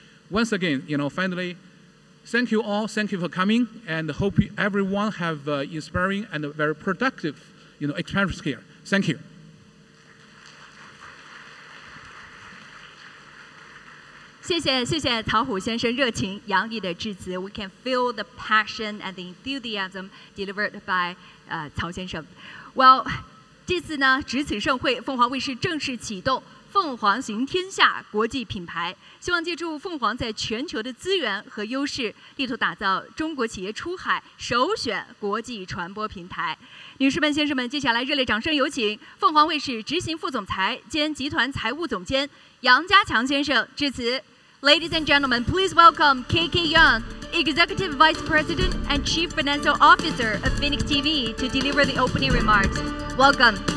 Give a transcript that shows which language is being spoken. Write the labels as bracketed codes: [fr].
[en] Once again, you know, finally, thank you all. Thank you for coming, and hope everyone have inspiring and a very productive, you know, experience here. Thank you. We can feel the passion and the enthusiasm delivered by Cao 先生. [zh] Well, 这次呢，值此盛会，凤凰卫视正式启动凤凰行天下国际品牌，希望借助凤凰在全球的资源和优势，力图打造中国企业出海首选国际传播平台。女士们、先生们，接下来热烈掌声有请凤凰卫视执行副总裁兼集团财务总监杨家强先生致辞。 [en] Ladies and gentlemen, please welcome KK Young, Executive Vice President and Chief Financial Officer of Phoenix TV, to deliver the opening remarks. Welcome.